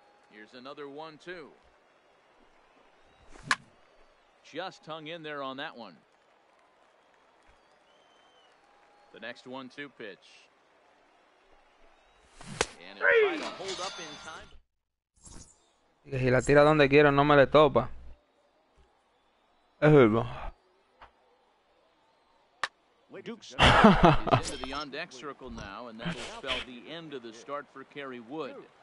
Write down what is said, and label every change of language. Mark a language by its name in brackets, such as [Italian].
[English] Here's another 1-2. Just hung in there on that one. The next 1-2 pitch. And it's trying to hold up in time. [Spanish] Y si la tira donde quiera, no me le topa. Es bueno. [English] Duke Snyder is into the on-deck circle now, and that will spell the end of the start for Kerry Wood.